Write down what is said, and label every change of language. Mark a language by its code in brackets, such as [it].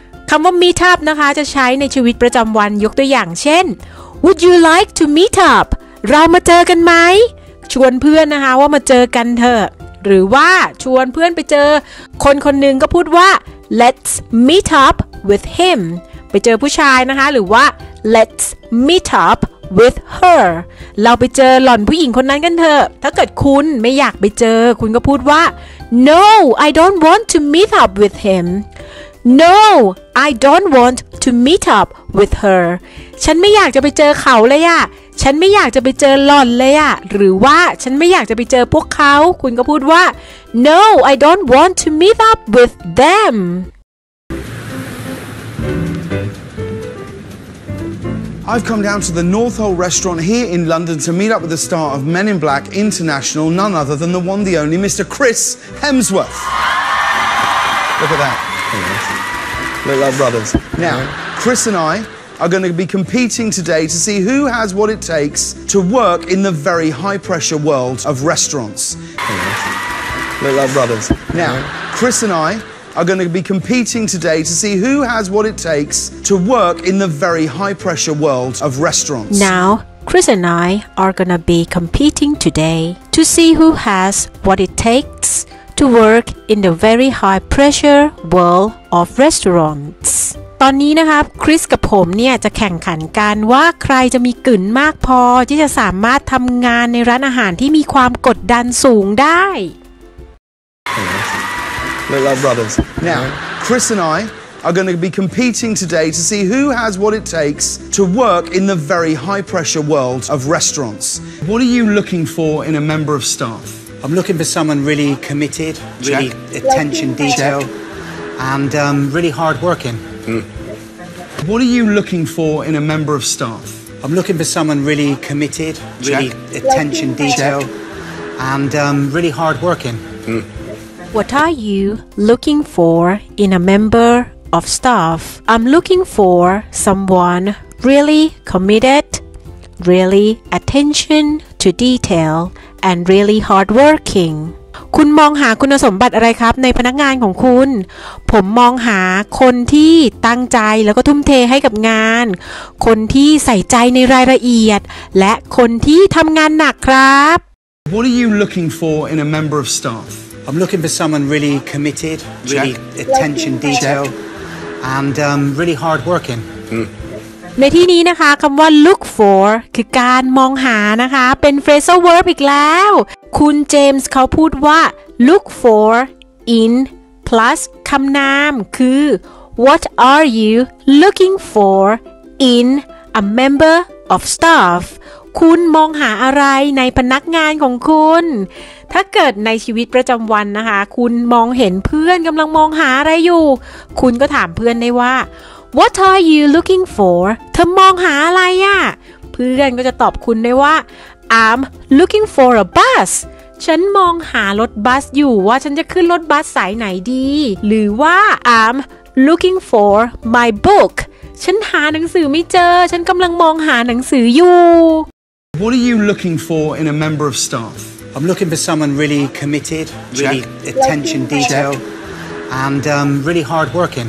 [th] คำว่า meet up นะคะจะใช้ในชีวิตประจำวันยกตัวอย่างเช่น [en] would you like to meet up [th] เรามาเจอกันไหมชวนเพื่อนนะคะว่ามาเจอกันเถอะหรือว่าชวนเพื่อนไปเจอคนคนนึงก็พูดว่า [en] Let's meet up with him. [th] ไปเจอผู้ชายนะคะหรือว่า [en] Let's meet up with her. [th] เราไปเจอหล่อนผู้หญิงคนนั้นกันเถอะถ้าเกิดคุณไม่อยากไปเจอคุณก็พูดว่า [en] No, I don't want to meet up with him. No, I don't want to meet up with her. [th] ฉันไม่อยากจะไปเจอเขาเลยอ่ะฉันไม่อยากจะไปเจอหล่อนเลยอ่ะหรือว่าฉันไม่อยากจะไปเจอพวกเขาคุณก็พูดว่า [en] No, I don't want to meet up with them. I've come down to the North Hole restaurant here in London to meet up with the star of Men in Black International, none other than the one, the only, Mr. Chris Hemsworth. Look at that. Look like brothers. Now, Chris and I... are going to be competing today to see who has what it takes to work in the very high-pressure world of restaurants. Look like brothers. Now, Chris and I are going to be competing today to see who has what it takes to work in the very high-pressure world of restaurants. Now, Chris and I are going to be competing today to see who has what it takes to work in the very high-pressure world of restaurants. [th] ตอนนี้นะครับคริสกับผมเนี่ยจะแข่งขันกันว่าใครจะมีกลิ่นมากพอที่จะสามารถทำงานในร้านอาหารที่มีความกดดันสูงได้ [en] Look like brothers. Now, Chris and I are going to be competing today to see who has what it takes to work in the very high pressure world of restaurants. What are you looking for in a member of staff? I'm looking for someone really committed, really attention detail, and really hard working. What are you looking for in a member of staff? I'm looking for someone really committed, really attention detail, and really hard working. What are you looking for in a member of stuff. I'm looking for someone really committed, really attention to detail, and really hardworking. [th] คุณมองหาคุณสมบัติอะไรครับในพนักงานของคุณผมมองหาคนที่ตั้งใจแล้วก็ทุ่มเทให้กับงานคนที่ใส่ใจในรายละเอียดและคนที่ทำงานหนักครับ [en] What are you looking for in a member of staff? I'm looking for someone really committed, really attention detail, and really hard working. [th] ในที่นี้นะคะคำว่า look for คือการมองหานะคะเป็น phrasal verb อีกแล้วคุณเจมส์เขาพูดว่า look for in plus คำนามคือ [en] what are you looking for in a member of staff [th] คุณมองหาอะไรในพนักงานของคุณถ้าเกิดในชีวิตประจำวันนะคะคุณมองเห็นเพื่อนกำลังมองหาอะไรอยู่คุณก็ถามเพื่อนได้ว่า [en] What are you looking for? [th] เธอมองหาอะไรอ่ะเพื่อนก็จะตอบคุณได้ว่า [en] I'm looking for a bus. [th] ฉันมองหารถบัสอยู่ว่าฉันจะขึ้นรถบัสสายไหนดีหรือว่า [en] I'm looking for my book. [th] ฉันหาหนังสือไม่เจอฉันกำลังมองหาหนังสืออยู่ [en] What are you looking for in a member of staff? I'm looking for someone really committed, really attention detail, and really hard working.